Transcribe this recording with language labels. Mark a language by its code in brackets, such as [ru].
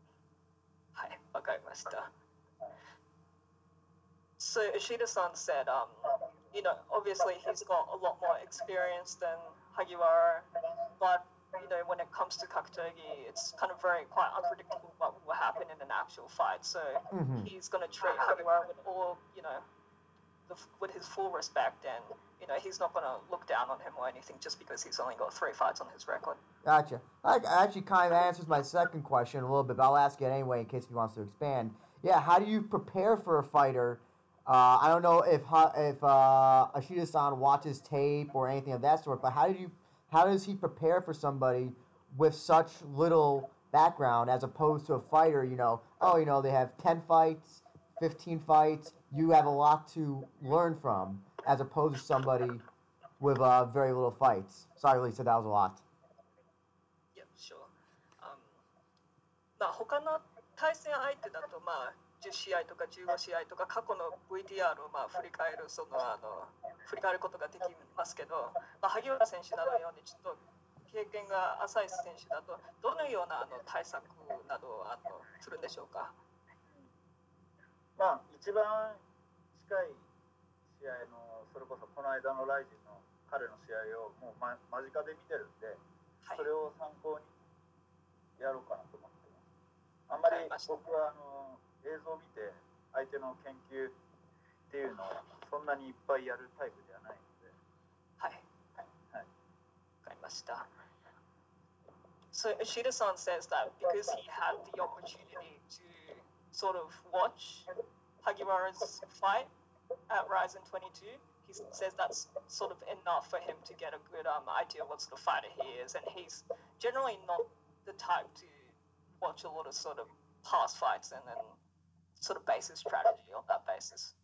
[ja] やっぱり経験格闘技ではすごく経験っていうのは大事なんで、そういうところでは僕の方が圧倒的に有利だと思ってますけど、やっぱり格闘技は本当に何があるかわからない競技なので、そうですね。なめることなく相手をこうなめることなく今回戦ってしっかり力の差を見せてあげようかなと思います。はい、わかりました。 [en] So Ishida-san said, obviously he's got a lot more experience than Hagiwara, but, when it comes to kakutogi, it's kind of quite unpredictable what will happen in an actual fight. So he's going to treat Hagiwara with all, with his full respect, and, he's not going to look down on him or anything just because he's only got 3 fights on his record. Gotcha. That actually kind of answers my second question a little bit, but I'll ask it anyway in case he wants to expand. Yeah, how do you prepare for a fighter? I don't know if Ishida-san watches tape or anything of that sort, but how does he prepare for somebody with such little background as opposed to a fighter, they have 10 fights, 15 fights, you have a lot to learn from as opposed to somebody with very little fights. Sorry, Lisa, that was a lot. Yeah, sure. [ja] 他の対戦相手だと 10試合とか15試合とか過去の VTR を振り返ることができますけど、萩原選手などようにちょっと経験が浅い選手だとどのような対策などをするんでしょうか。まあ一番近い試合のそれこそこの間のライジンの彼の試合をもう間近で見てるんで、それを参考にやろうかなと思ってます。あんまり僕は映像を見て相手の研究っていうのをそんなにいっぱいやるタイプではないので。はい。はい。わかりました。 [en] So Ishida-san says that because he had the opportunity to sort of watch Hagiwara's fight at Ryzen 22, he says that's sort of enough for him to get a good idea of what sort of fighter he is. And he's generally not the type to watch a lot of sort of past fights and then sort of base his strategy on that basis.